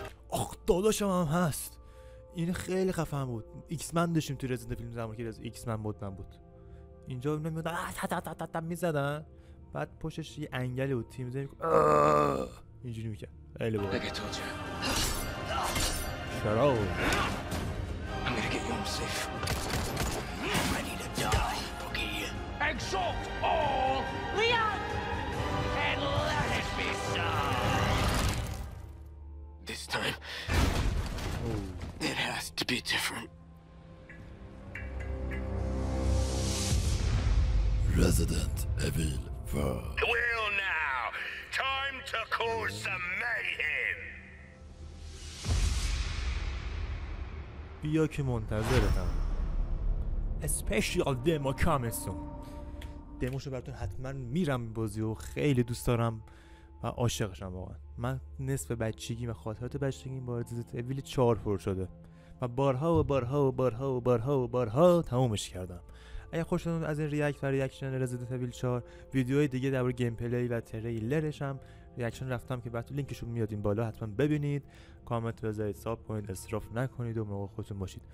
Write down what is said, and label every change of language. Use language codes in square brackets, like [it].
[fa] آخ داداشم هم هست، این خیلی خفن بود. ایکس من داشتیم توی رزیدنت فیلم زمان که ایکس من بود، من بود اینجا اونا میادن میزدن، بعد پشتش یه انگلی بود تیم زنی اینجوری میکرد. خیلی بود. [en] Shut up. I'm gonna get you home safe. I'm ready to die, Boogie. Exalt all! Leon! And let it be so. This time, it has to be different. Resident Evil 4. Well now, time to cause some mayhem. [fa] بیا که منتظرتم. [en] Special demo coming soon. [fa] دموشو براتون حتما میرم بازی و خیلی دوست دارم و عاشقشم واقعا. من نصف بچگی و خاطرات بچگی با Resident Evil 4 پر شده و بارها و بارها و بارها و بارها و بارها تمومش کردم. اگه خوشتون از این ریاکت و ریاکشن Resident Evil 4 ویدیوهای دیگه درباره گیم پلی و تریلرش هم ریاکشن رفتم که بعد لینکشو میاد این بالا حتما ببینید، کامنت بذارید، ساب کنید، اسراف نکنید و مراقب خودتون باشید.